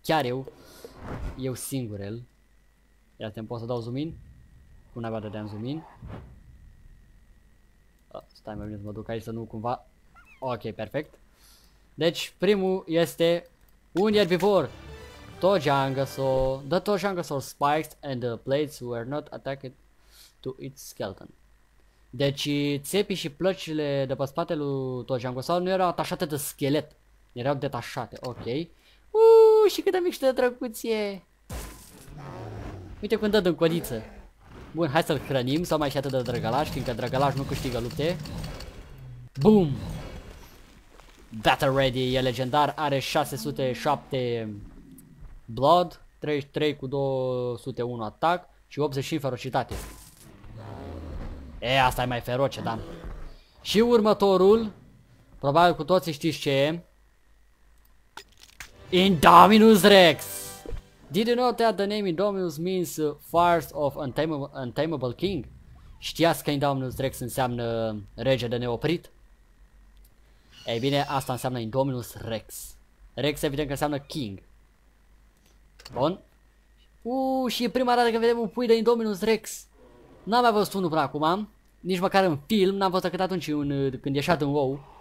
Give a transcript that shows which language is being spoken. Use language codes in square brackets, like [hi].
[ro] Chiar eu singurel. Ia să-mi pot să dau zoom in. Cum n-avea de dea-mi zoom in. Stai mai bine să mă duc aici să nu cumva. Ok, perfect. Deci primul este un ierbivor. [en] The Tojangasaur spikes and the plates were not attached to its skeleton. [ro] Deci țepii și plăcile de pe spatele lui Tojangasaur nu erau atașate de schelet. Erau detașate, ok. Și cât de mic și de drăguț e. Uite cum dă din codiță. Bun, hai să-l hrănim, sau mai și atât de drăgălaș, fiindcă drăgălaș nu câștigă lupte. Boom! [en] Battle ready, [ro] e legendar, are 607 blood, 33 cu 201 atac și 85 ferocitate. E, asta e mai feroce, da. Și următorul, probabil cu toții știți ce e. Indominus Rex! [en] Did you know that the name Indominus means Fires of Untamable King? [ro] Știați că Indominus Rex înseamnă rege de neoprit? Ei bine, asta înseamnă Indominus Rex. Rex evident că înseamnă King. Bun. Și e prima dată când vedem un pui de Indominus Rex. N-am mai văzut unul până acum, nici măcar în film, n-am văzut decât atunci când ieșat în WoW.